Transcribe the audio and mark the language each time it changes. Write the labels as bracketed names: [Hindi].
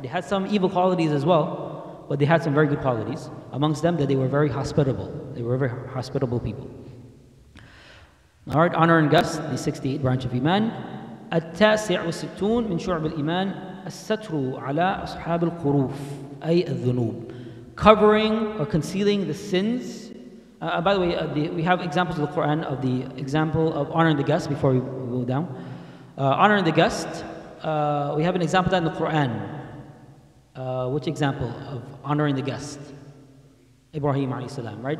[English] They had some evil qualities as well, but they had some very good qualities. Amongst them, that they were very hospitable. They were very hospitable people. Alright, honor and guests, the 68 branch of Iman. [Arabic] التاسع والستون من شعب الإيمان الستر على أصحاب القروف أي الذنوب. [English] Covering or concealing the sins. By the way, we have examples of the Quran of the example of honoring the guest before we go down. Honoring the guest, we have an example of that in the Quran. Which example of honoring the guest? Ibrahim alayhi salam, right?